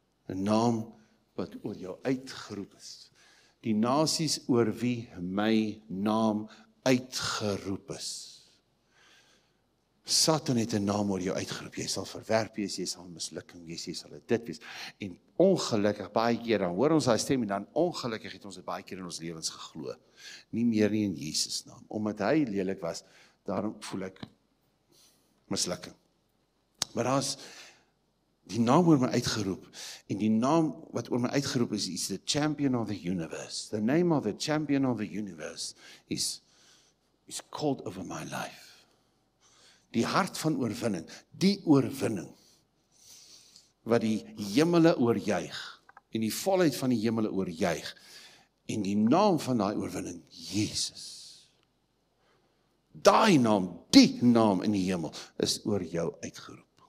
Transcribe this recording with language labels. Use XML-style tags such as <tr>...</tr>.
<af>Een naam wat oor jou uitgeroep is. Die nasies oor wie my naam uitgeroep is. Satan het een naam oor jou uitgeroep. Jy sal verwerp wees, jy sal mislukking wees, jy sal dit wees. En ongelukkig, baie keer, dan hoor ons die stem, en dan ongelukkig het ons het baie keer in ons levens geglo. Nie meer nie in Jesus naam. Omdat hy lelik was, daarom voel ek mislukking. Maar as die naam oor my uitgeroep, en die naam wat oor my uitgeroep is, is</af> <en>the champion of the universe. The name of the champion of the universe is called over my life.</en> <af>Die hart van oorwinning, die oorwinning, wat die hemele oorjuig, en die volheid van die hemele oorjuig, en die naam van die oorwinning, Jesus. Die naam, die naam in die hemel, is oor jou uitgeroep.</af>